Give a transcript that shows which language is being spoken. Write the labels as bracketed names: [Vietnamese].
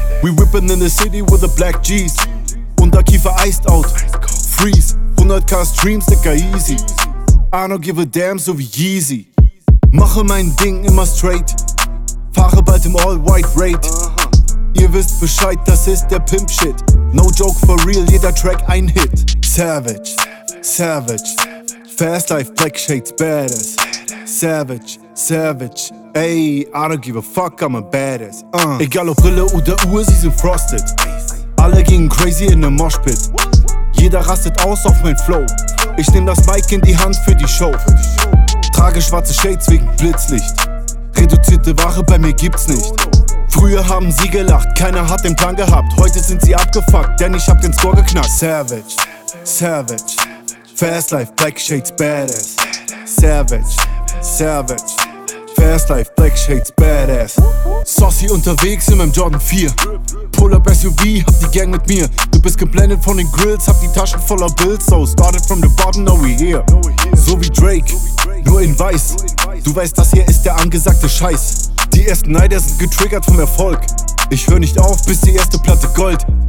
[English] We whippin' in the city with the black G's. [German] Unterkiefer [English] iced out, freeze. 100k Streams, [German] Dicker, [English] easy. I don't give a damn, [German] so wie [English] Yeezy. [German] Mache mein Ding immer straight. Fahre bald im All-White Raid. Ihr wisst Bescheid, das ist der Pimp-Shit. [English] No joke for real, [German] jeder Track ein Hit. [English] Savage, Savage, Fast Life, Black Shades, Badass. Savage, Savage, ey, I don't give a fuck, I'm a badass. [German] Egal ob Brille oder Uhr, sie sind frosted. Alle gingen crazy in nem Moshpit. Jeder rastet aus auf mein Flow. Ich nehm das Mic in die Hand für die Show. Trage schwarze Shades wegen Blitzlicht. Reduzierte Ware bei mir gibt's nicht. Früher haben sie gelacht, keiner hat den Plan gehabt. Heute sind sie abgefuckt, denn ich hab den Score geknackt. [English] Savage, Savage, Fast Life, Black Shades, Badass. Savage, Savage, Fast Life, Black Shades, Badass. [German] Saucy unterwegs in meinem Jordan 4. [English] Pull up [German] SUV, hab die Gang mit mir. Du bist geblendet von den Grills, hab die Taschen voller Bills. [English] So started from the bottom, now we here. [German] So wie Drake, nur in weiß. Du weißt, das hier ist der angesagte Scheiß. Die ersten Neider sind getriggert vom Erfolg. Ich hör nicht auf, bis die erste Platte Gold.